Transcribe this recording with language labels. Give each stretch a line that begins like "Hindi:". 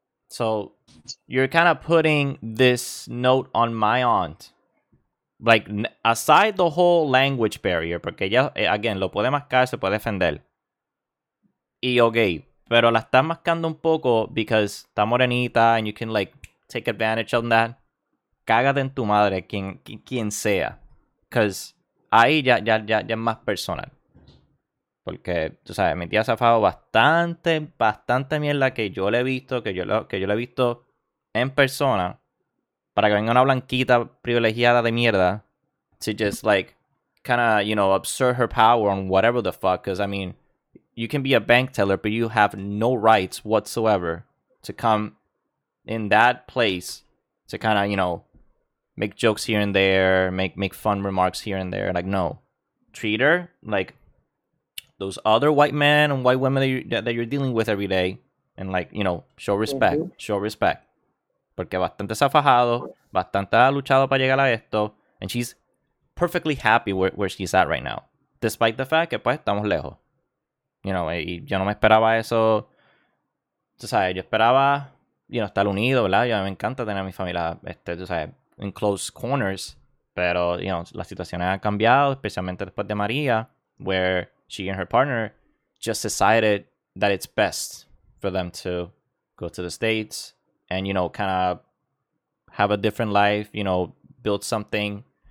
English: So, you're kind of putting this note on my aunt. Like, aside the whole language barrier.
Spanish: Porque ella, again, lo puede mascar, se puede defender. Y okay. Pero la está mascando un poco because está morenita.
English: And you can, like, take advantage of that.
Spanish: Cágate en tu madre, quien sea. Because... Ahí ya es más personal. Porque, tú sabes, mi tía se ha fajado bastante, bastante mierda que yo le he visto, que yo le he visto en persona, para que venga una blanquita privilegiada de mierda,
English: to just, like, kind of, you know, absurd her power on whatever the fuck. Because, I mean, you can be a bank teller, but you have no rights whatsoever to come in that place to kind of, you know, make jokes here and there, make fun remarks here and there. Like, no. Treat her like those other white men and white women that you're dealing with every day. And, like, you know, show respect. Mm-hmm. Show respect.
Spanish: Porque bastante se ha fajado, bastante ha luchado para llegar a esto.
English: And she's perfectly happy where she's at right now. Despite the fact
Spanish: que, pues, estamos lejos.
English: You know,
Spanish: y yo no me esperaba eso. Tú sabes, yo esperaba,
English: you know,
Spanish: estar unido, ¿verdad? Yo me encanta tener a mi familia, tú sabes,
English: in close corners, pero, you know,
Spanish: la situación ha cambiado, especialmente después de María,
English: where she and her partner just decided that it's best for them to go to the States and, you know, kind of have a different life, you know, build something.